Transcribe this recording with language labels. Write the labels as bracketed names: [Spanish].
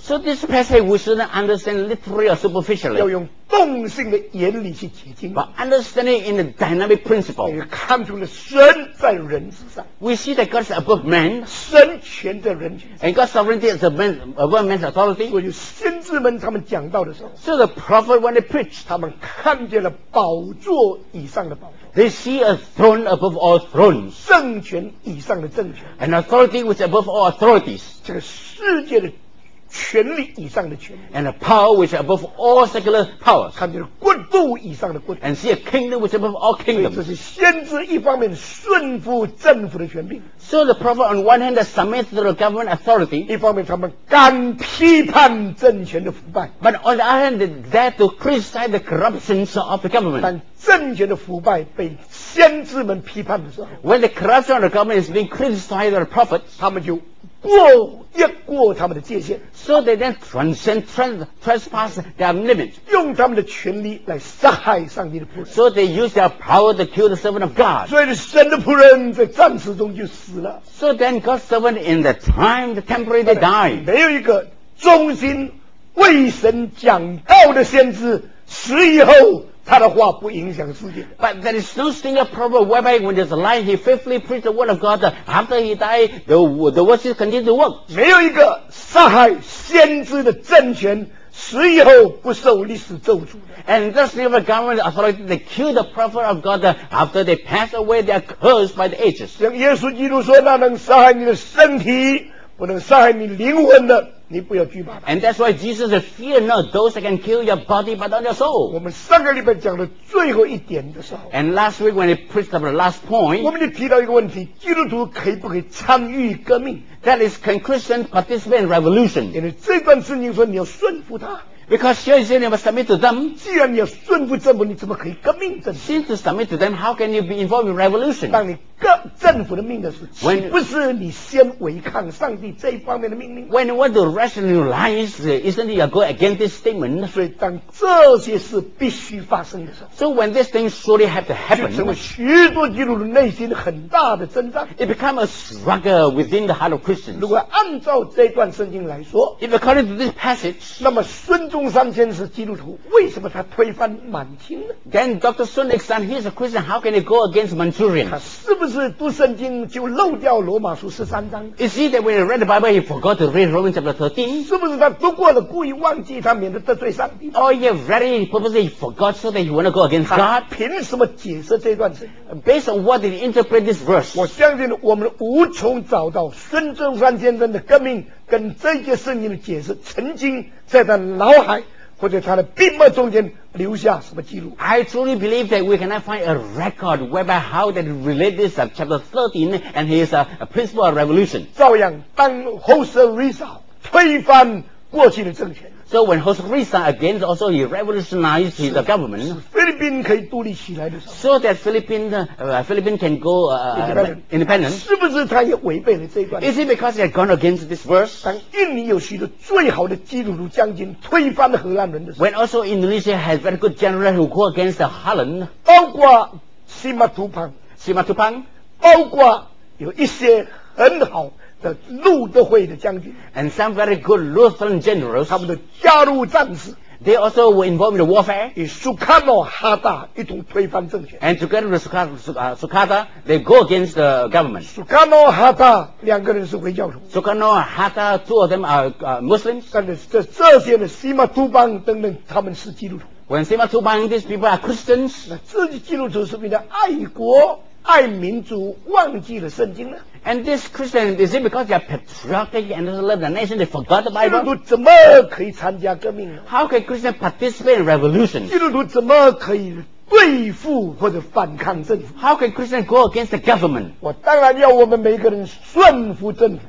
[English] So this passage we shouldn't understand literally or superficially. [Chinese] 要用动性的原理去解经。 [English] But understanding in the dynamic principle. [Chinese] 也看出了神在人之上。 [English] We see that God's above man. [Chinese] 神权在人权。 [English] And God's sovereignty is above man's authority. [Chinese] 所以先知们他们讲到的时候， [English] So the prophet when they preach, [Chinese] 他们看见了宝座以上的宝座。 [English] They see a throne above all thrones. [Chinese] 政权以上的政权。 [English] An authority which is above all authorities. [Chinese] 这个世界的权力以上的权力。 [English] And a power which is above all secular powers. [Chinese] 看见了国度以上的国度。 [English] And see a kingdom which is above all kingdoms. [Chinese] 所以这是先知一方面顺服政府的权柄。 [English] So the prophet on one hand submits to the government authority. [Chinese] 一方面他们敢批判政权的腐败。 [English] But on the other hand, they dare to criticize the corruptions of the government. [Chinese] 但政权的腐败被先知们批判的时候， [English] When the corruption of the government is being criticized by the prophets, [Chinese] 他们就过越过他们的界限。 [English] So they then transcend, trespass their limits, [Chinese] 用他们的权力来杀害上帝的仆人。 [English] So they use their power to kill the servant of God. [Chinese] 所以神的仆人在暂时中就死了。 [English] So then God's servant in the time, the temporary, they die. [Chinese] 没有一个忠心为神讲道的先知死以后他的话不影响世界。 [English] But there is no single prophet whereby when there's a lie he faithfully preached the word of God, after he died the word still continue to work. [Chinese] 没有一个杀害先知的政权死以后不受历史咒诅的。 [English] And there's never government authority that killed the prophet of God, after they pass away they are cursed by the ages. [Chinese] 像耶稣基督说，那能杀害你的身体不能伤害你灵魂的，你不要惧怕。 [English] And that's why Jesus says, fear not those that can kill your body but not your soul. [Chinese] 我们上个礼拜讲的最后一点的时候， [English] And last week when he preached about the last point, [Chinese] 我们就提到一个问题，基督徒可以不可以参与革命？ [English] That is, can Christians participate in revolution? [Chinese] 因为这段圣经说你要顺服他。 [English] Because here he said, you must submit to them. [Chinese] 既然你要顺服政府，你怎么可以革命政府？ [English] Since you submit to them, how can you be involved in revolution? [Chinese] 当你革政府的命的时候， when, 岂不是你先违抗上帝这一方面的命令？ [English] When you want to rationalize, isn't it you go against this statement? [Chinese] 所以当这些事必须发生的时候， [English] So when this thing surely have to happen, [Chinese] 就成为许多基督徒内心很大的挣扎。 [English] It become a struggle within the heart of Christians. [Chinese] 如果按照这段圣经来说， [English] If according to this passage, [Chinese] 那么孙中山先生是基督徒，为什么他推翻满清呢？ [English] Then Dr. Sun Nixon, he's a Christian, how can he go against Manchurians? [Chinese] 他是不是读圣经就漏掉罗马书十三章？ [English] Is he that when he read the Bible, he forgot to read Romans chapter 13? [Chinese] 是不是他读过了故意忘记，他免得得罪上帝？ [English] Oh, yeah, very purposely he forgot so that he wanted to go against God. [Chinese] 他凭什么解释这段圣经？ [English] Based on what did he interpret this verse? [Chinese] 我相信我们无从找到孙中山先生的革命跟这些圣经的解释曾经在他脑海或者他的笔墨中间留下什么记录。 [English] I truly believe that we cannot find a record whereby how that relate this chapter 13 and his principle of revolution. [Chinese] 照样当 Jose Rizal 推翻过去的政权， [English] So when Jose Rizal against also he revolutionized his government, [Chinese] 菲律宾可以独立起来的时候， [English] So that Philippine can go independent, [Chinese] 是不是他也违背了这一段？ [English] Is it because he had gone against this verse? [Chinese] 当印尼有许多最好的基督徒将军推翻了荷兰人的时候， [English] When also Indonesia has very good general who go against the Holland, [Chinese] 包括西马图庞，包括有一些很好的路德会的将军， [English] and some very good Lutheran generals, [Chinese] 他们的加入战士， [English] they also were involved in the warfare, [Chinese] 与苏卡诺哈达一同推翻政权， [English] and together with Sukarno, they go against the government. [Chinese] 苏卡诺哈达两个人是回教徒， [English] Sukarno Hatta, two of them are Muslims, [Chinese] 但是这些的西马图邦等等他们是基督徒。 [English] When Sima Tupang, these people are Christians, [Chinese] 那这些基督徒是为了爱国爱民族忘记了圣经呢？ [English] And this Christian, is it because they are patriotic and they love the nation, they forgot the Bible? [Chinese] 基督徒怎么可以参加革命呢？ [English] How can Christians participate in revolution? [Chinese] 基督徒怎么可以对付或者反抗政府？ [English] How can Christians go against the government? [Chinese] 我当然要我们每个人顺服政府。